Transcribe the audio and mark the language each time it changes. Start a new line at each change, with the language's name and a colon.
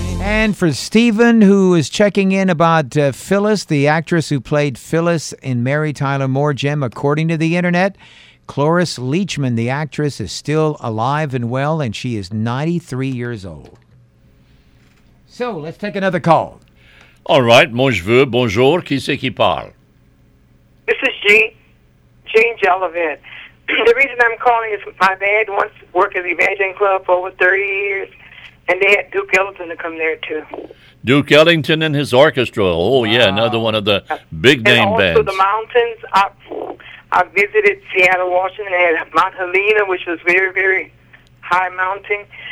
English: And for Stephen, who is checking in about Phyllis, the actress who played Phyllis in Mary Tyler Moore, Jim, according to the internet, Cloris Leachman, the actress, is still alive and well, and she is 93 years old. So, let's take another call. All right,
French: moi je veux, bonjour, qui c'est qui parle?
English: This is Jean Jellivet. The reason I'm calling is my dad once worked at the Evangeline Club for over 30 years, and they had Duke Ellington to come there, too. Duke Ellington and his orchestra, oh wow. Yeah, another one of the big-name bands. And also the mountains, I visited Seattle, Washington, and Mount Helena, which was very, very high mountain.